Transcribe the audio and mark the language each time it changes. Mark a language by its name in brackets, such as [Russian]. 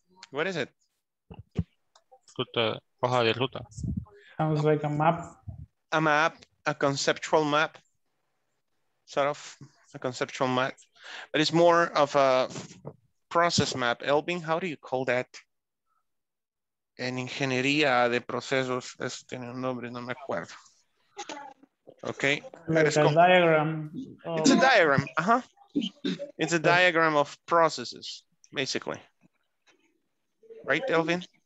[English] What is it? [Spanish] Ruta, hoja de ruta. [English] Sounds like a map. A map, a conceptual map, sort of a conceptual map, but it's more of a process map. Elvin, how do you call that? [Spanish] En ingeniería de procesos, eso tiene un nombre, no me acuerdo. [English] Okay. It's a diagram. It's a diagram, It's a diagram of processes, basically. Right, Elvin?